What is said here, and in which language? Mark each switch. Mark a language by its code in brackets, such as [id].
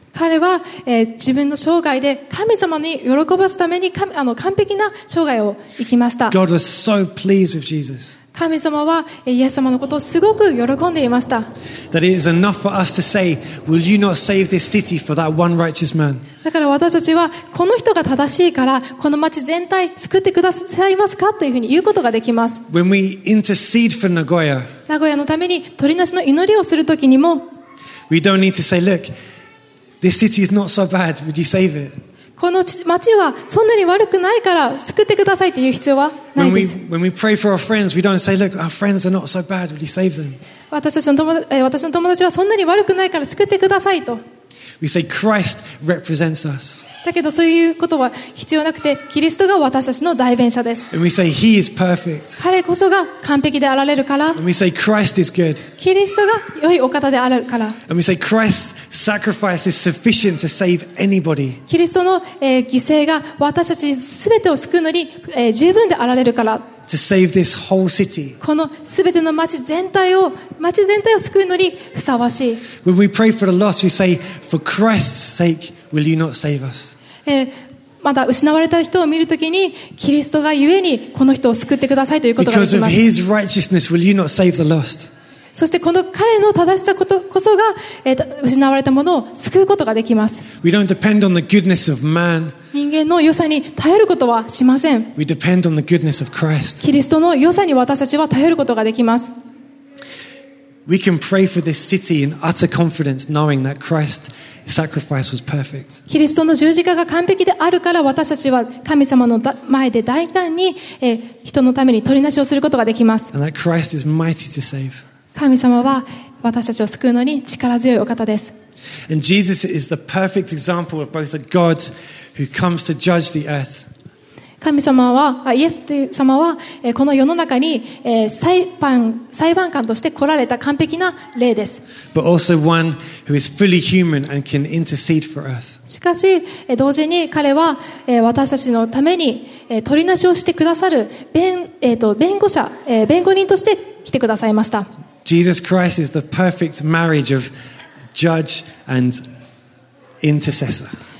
[ja] 彼は、自分の生涯で神様に喜ばすために完璧な生涯を生きました。 [en] God was so pleased with Jesus. [ja] 神様はイエス様のことをすごく喜んでいました。 [en] That it is enough for us to say, will you not save this city for that one righteous man? [ja] だから私たちはこの人が正しいからこの町全体救ってくださいますかというふうに言うことができます。 [en] When we intercede for Nagoya, [ja] 名古屋のために鳥なしの祈りをするときにも、 [en] we don't need to say, look,This city is not so bad. Would you save it? [ja] この町はそんなに悪くないから救ってくださいという必要はないです。 [en] When we pray for our friends, we don't say, "Look, our friends are not so bad. Would you save them?" [ja] 私の友達はそんなに悪くないから救ってくださいと。 [en] We say Christ represents us. [ja] だけどそういうことは必要なくて、キリストが私たちの代弁者です。 [en] And we say He is perfect. [ja] 彼こそが完璧であられるから。 [en] And we say Christ is good. [ja] キリストが良いお方であるから。 [en] And we say Christ. Sacrifice is sufficient to save anybody. [ja] キリストの犠牲が私たちすべてを救うのに十分であられるから。 [en] To save this whole city. [ja] このすべての町全体を救うのにふさわしい。 [en] When we pray for the lost, we say, "For Christ's sake, will you not save us?" [ja] まだ失われた人を見るときに、キリストがゆえにこの人を救ってくださいということができます。 [en] Because of His righteousness, will you not save the lost? [ja] そしてこの彼の正しさことこそが、失われたものを救うことができます。 [en] We don't depend on the goodness of man. [ja] 人間の良さに頼ることはしません。 [en] We depend on the goodness of Christ. [ja] キリストの良さに私たちは頼ることができます。 [en] We can pray for this city in utter confidence, knowing that Christ's sacrifice was perfect. [ja] キリストの十字架が完璧であるから私たちは神様の前で大胆に、人のために取りなしをすることができます。 [en] And that Christ is mighty to save. [ja] 神様は私たちを救うのに力強いお方です。 [en] And Jesus is the perfect example of both a God who comes to judge the earth. [ja] 神様は、イエス様は、この世の中に、裁判官として来られた完璧な霊です。 [en] But also one who is fully human and can intercede for us. [ja] しかし、同時に彼は、私たちのために、取りなしをしてくださる 弁護者、弁護人として来てくださいました。 [en] Jesus Christ is the perfect marriage of judge and intercessor.